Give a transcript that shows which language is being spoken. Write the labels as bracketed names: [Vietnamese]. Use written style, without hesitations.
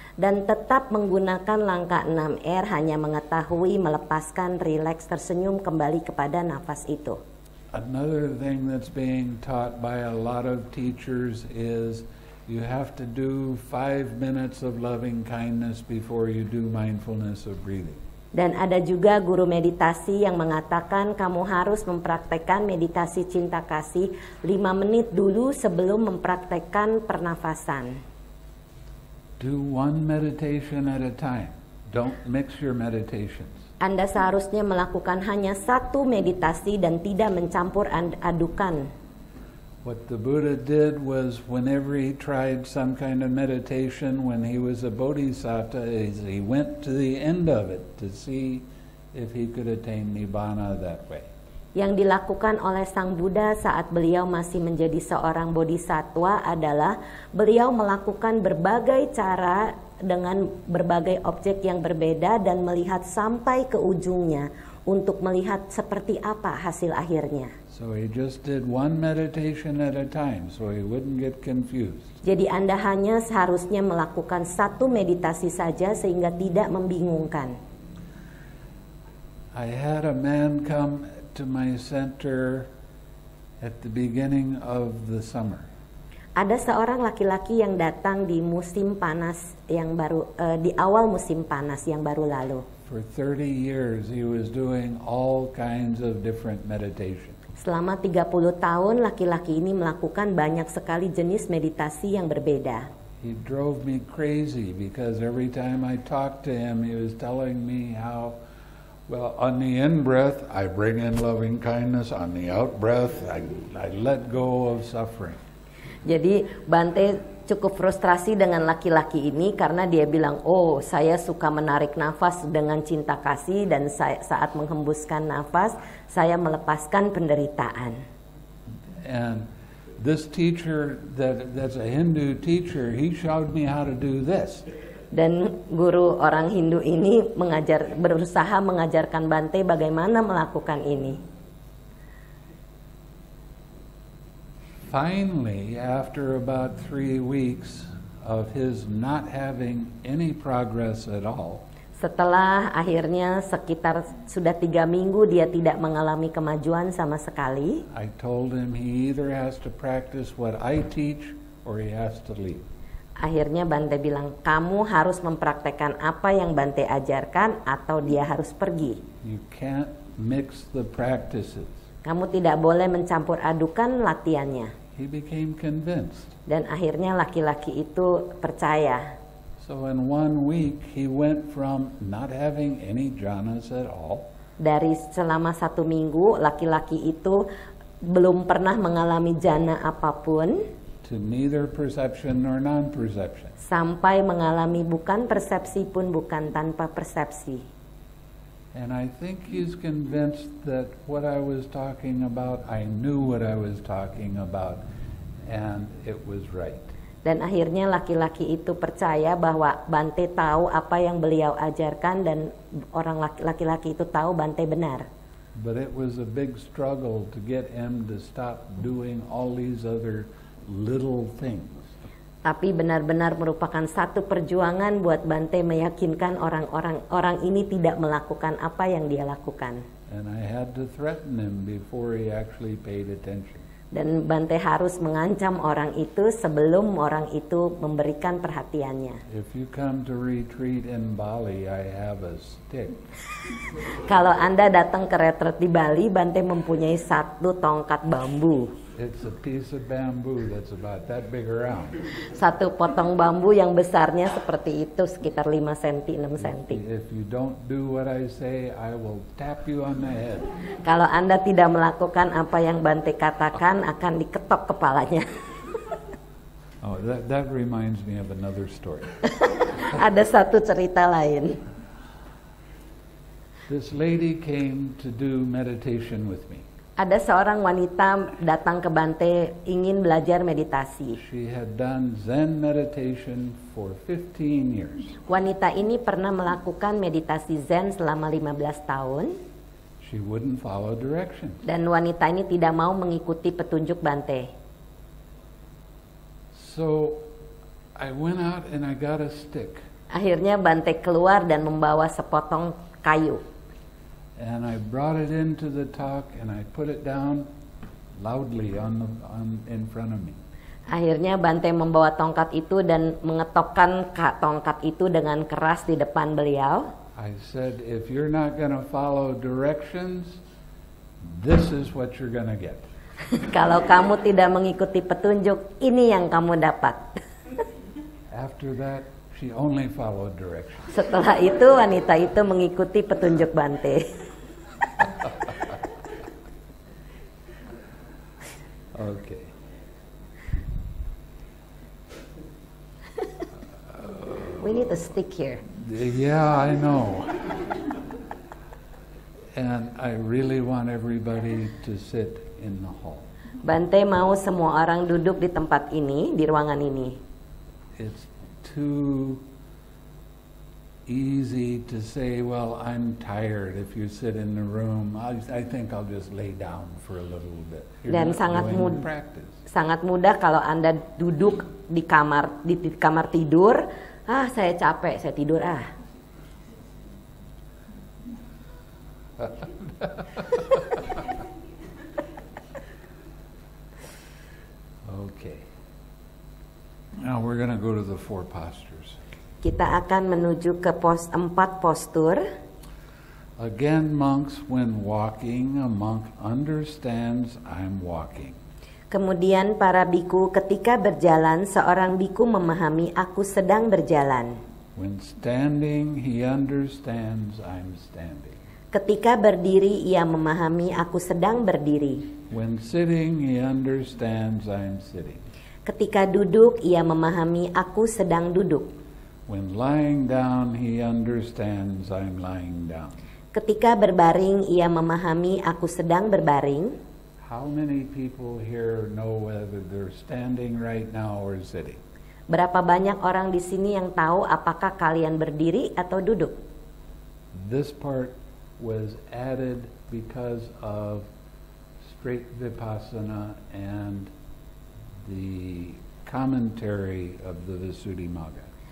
[Indonesian] dan tetap menggunakan langkah 6R, hanya mengetahui, melepaskan, rileks, tersenyum kembali kepada nafas itu. [English] Another thing that's being taught by a lot of teachers is you have to do 5 minutes of loving kindness before you do mindfulness of breathing. [Indonesian] Dan ada juga guru meditasi yang mengatakan kamu harus mempraktekkan meditasi cinta kasih 5 menit dulu sebelum mempraktekkan pernafasan. [English] Do one meditation at a time. Don't mix your meditations. [Indonesian] Anda seharusnya melakukan hanya satu meditasi dan tidak mencampur adukan. [English] What the Buddha did was whenever he tried some kind of meditation when he was a bodhisattva, he went to the end of it to see if he could attain nibbana that way. [Indonesian] Yang dilakukan oleh Sang Buddha saat beliau masih menjadi seorang bodhisattva adalah beliau melakukan berbagai cara dengan berbagai objek yang berbeda dan melihat sampai ke ujungnya untuk melihat seperti apa hasil akhirnya. [English] So he just did one meditation at a time so he wouldn't get confused. [Indonesian] Jadi Anda hanya seharusnya melakukan satu meditasi saja sehingga tidak membingungkan. [English] I had a man come to my center at the beginning of the summer. [Indonesian] Ada seorang laki-laki yang datang di musim panas yang baru di awal musim panas yang baru lalu. [English] For 30 years he was doing all kinds of different meditation. [Indonesian] Selama 30 tahun laki-laki ini melakukan banyak sekali jenis meditasi yang berbeda. [English] He drove me crazy because every time I talked to him he was telling me how well, on the in-breath, I bring in loving kindness. On the out-breath, I let go of suffering. [Indonesian] Jadi Bante cukup frustrasi dengan laki-laki ini karena dia bilang, oh, saya suka menarik nafas dengan cinta kasih dan saat menghembuskan nafas, saya melepaskan penderitaan. [English] And this teacher, that's a Hindu teacher, he showed me how to do this. [Indonesian] Dan guru orang Hindu ini berusaha mengajarkan Bante bagaimana melakukan ini. [English] Finally, after about 3 weeks of his not having any progress at all. [Indonesian] Setelah akhirnya sekitar sudah 3 minggu dia tidak mengalami kemajuan sama sekali. [English] I told him he either has to practice what I teach or he has to leave. [Indonesian] Akhirnya Bante bilang, kamu harus mempraktekkan apa yang Bante ajarkan atau dia harus pergi. [English] You can't mix the practices. [Indonesian] Kamu tidak boleh mencampur adukan latihannya. [English] He became convinced. [Indonesian] Dan akhirnya laki-laki itu percaya. [English] So in 1 week he went from not having any jhanas at all. [Indonesian] Dari selama 1 minggu laki-laki itu belum pernah mengalami jhana apapun. [English] To neither perception nor non-perception. [Indonesian] Sampai mengalami bukan persepsi pun bukan tanpa persepsi. [English] And I think he's convinced that what I was talking about, I knew what I was talking about, and it was right. [Indonesian] Dan akhirnya laki-laki itu percaya bahwa Bante tahu apa yang beliau ajarkan dan orang laki-laki itu tahu Bante benar. [English] But it was a big struggle to get him to stop doing all these other little things. [Indonesian] Tapi benar-benar merupakan satu perjuangan buat Bante meyakinkan orang-orang ini tidak melakukan apa yang dia lakukan. [English] And I had to threaten him before he actually paid attention. [Indonesian] Dan Bante harus mengancam orang itu sebelum orang itu memberikan perhatiannya. [English] If you come to retreat in Bali, I have a stick. [Indonesian] Kalau Anda datang ke retreat di Bali, Bante mempunyai satu tongkat bambu. [English] It's a piece of bamboo that's about that big around. [Indonesian] Satu potong bambu yang besarnya seperti itu, sekitar 5 cm, 6 cm. [English] If you don't do what I say, I will tap you on the head. [Indonesian] Kalau Anda tidak melakukan apa yang Bante katakan, akan diketok kepalanya. [English] Oh, that reminds me of another story. [Indonesian] Ada satu cerita lain. [English] This lady came to do meditation with me. [Indonesian] Ada seorang wanita datang ke Bante ingin belajar meditasi. [English] She had done Zen meditation for 15 years. [Indonesian] Wanita ini pernah melakukan meditasi Zen selama 15 tahun. [English] She wouldn't follow directions. [Indonesian] Dan wanita ini tidak mau mengikuti petunjuk Bante. [English] So I went out and I got a stick. [Indonesian] Akhirnya Bante keluar dan membawa sepotong kayu. [English] And I brought it into the talk and I put it down loudly in front of me. [Indonesian] Akhirnya Bante membawa tongkat itu dan mengetokkan tongkat itu dengan keras di depan beliau. [English] I said, if you're not going to follow directions, this is what you're going to get. [Indonesian] Kalau kamu tidak mengikuti petunjuk, ini yang kamu dapat. [English] After that, she only followed directions. [Indonesian] Setelah itu, wanita itu mengikuti petunjuk Bante. [English] Okay. We need a stick here. Yeah, I know. And I really want everybody to sit in the hall. [Indonesian] Bante mau semua orang duduk di tempat ini, di ruangan ini. [English] It's too easy to say, well, I'm tired. If you sit in the room, I think I'll just lay down for a little bit. You're [Indonesian] dan sangat sangat mudah kalau Anda duduk di kamar tidur. Ah, saya capek, saya tidur ah. [English] Okay. Now we're going to go to the four postures. [Indonesian] Kita akan menuju ke empat postur. [English] Again, monks, when walking, a monk understands I'm walking. [Indonesian] Kemudian para bhikkhu, ketika berjalan, seorang bhikkhu memahami aku sedang berjalan. [English] When standing, he understands I'm standing. [Indonesian] Ketika berdiri, ia memahami aku sedang berdiri. [English] When sitting, he understands I'm sitting. [Indonesian] Ketika duduk, ia memahami aku sedang duduk. [English] When lying down, he understands I'm lying down. [Indonesian] Ketika berbaring, ia memahami aku sedang berbaring. [English] How many people here know whether they're standing right now or sitting? [Indonesian] Berapa banyak orang di sini yang tahu apakah kalian berdiri atau duduk? [English] This part was added because of straight vipassana and the commentary of the Visuddhimagga.